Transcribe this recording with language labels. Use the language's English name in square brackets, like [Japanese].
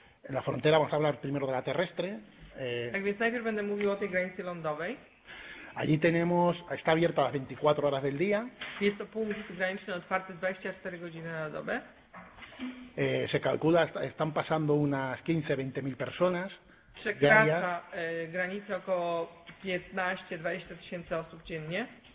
[Spanish] La frontera, vamos a hablar primero de la terrestre. [Polish] Tak więc najpierw będę mówił o tej granicy lądowej. [Spanish] Allí tenemos, está abierta las 24 horas del día. [Polish] Jest to punkt graniczny otwarty 24 godziny na dobę. [Spanish] Se calcula, están pasando unas 15-20.000 personas. [Polish] Przekracza granicę około 15-20 tysięcy osób dziennie.